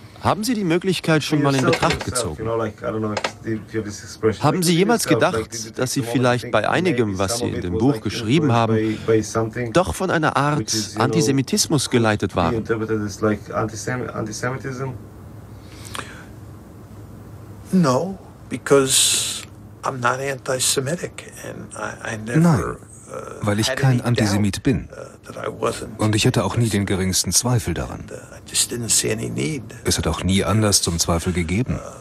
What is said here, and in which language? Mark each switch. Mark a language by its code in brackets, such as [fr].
[de] Haben Sie die Möglichkeit schon mal in Betracht gezogen? Haben Sie jemals gedacht, dass Sie vielleicht bei einigem, was Sie in dem Buch geschrieben haben, doch von einer Art Antisemitismus geleitet waren? [en] No, because I'm not anti-Semitic and I never. [de] Weil ich kein Antisemit bin. Und ich hatte auch nie den geringsten Zweifel daran. Es hat auch nie Anlass zum Zweifel gegeben.